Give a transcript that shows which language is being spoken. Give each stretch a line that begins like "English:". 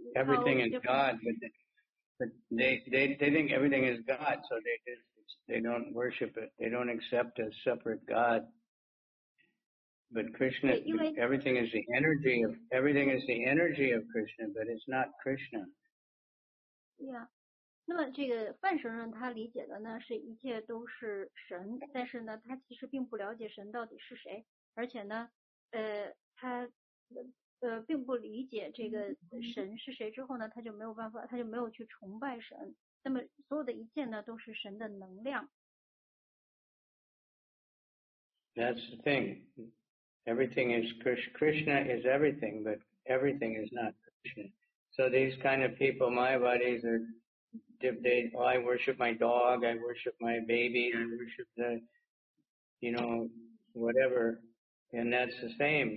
English: everything is God, but they think everything is God, so they don't worship it. They don't accept a separate God. But Krishna, everything is the energy of Krishna, but it's not Krishna. Yeah.
Chinese: 那么这个泛神论他理解的呢是一切都是神，但是呢他其实并不了解神到底是谁，而且呢他并不理解这个神是谁之后呢，他就没有办法，他就没有去崇拜神。那么所有的一切呢，都是神的能量。
English: That's the thing. Everything is Krishna is everything, but everything is not Krishna. So these kind of people, my bodies are, I worship my dog, I worship my baby, I worship the, you know, whatever, and that's the same.